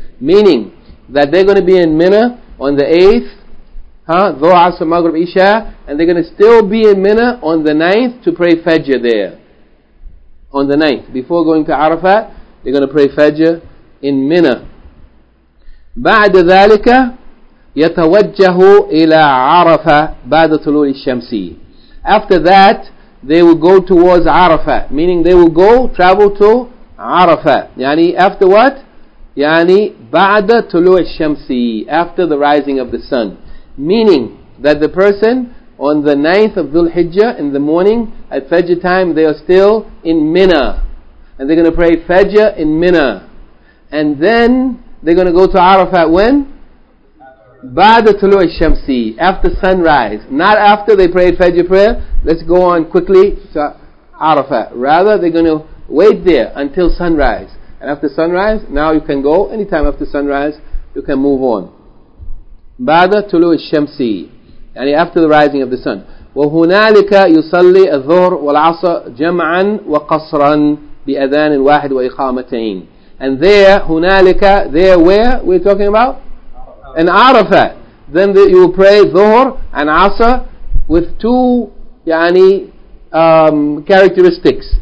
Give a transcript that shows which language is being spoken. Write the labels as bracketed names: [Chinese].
[English] Meaning that they're going to be in Mina on the 8th, huh? Dhuhr, Asr, Maghrib, Isha, and they're going to still be in Mina on the 9th to pray Fajr there. On the 9th, before going to Arafat, they're going to pray Fajr in Mina. [Arabic] بعد ذلك يتوجه إلى عرفة بعد طلوع الشمس. [English] After that, they will go towards Arafat, meaning they will go travel to Arafat. يعني after what? [Arabic] يعني بعد طلوع الشمس, [English] after the rising of the sun. Meaning that the person on the 9th of Dhul Hijjah in the morning at Fajr time, they are still in Mina. And they're going to pray Fajr in Mina. And then they're going to go to Arafat when? [Arabic] بعد طلوع الشمس, after sunrise. [English] Not after they prayed Fajr prayer. Let's go on quickly to Arafat. Rather, they're going to wait there until sunrise. And after sunrise, now you can go. Anytime after sunrise, you can move on. [Arabic] بعد طلوع الشمس, [English] يعني after the rising of the sun. [Arabic] وهنالك يصلي الظهر والعصر جمعا وقصرا بأذان واحد وإقامتين. [English] And there, هنالك, there where we're talking about? In Arafat. Then you will pray ظهر and عصر with two يعني characteristics.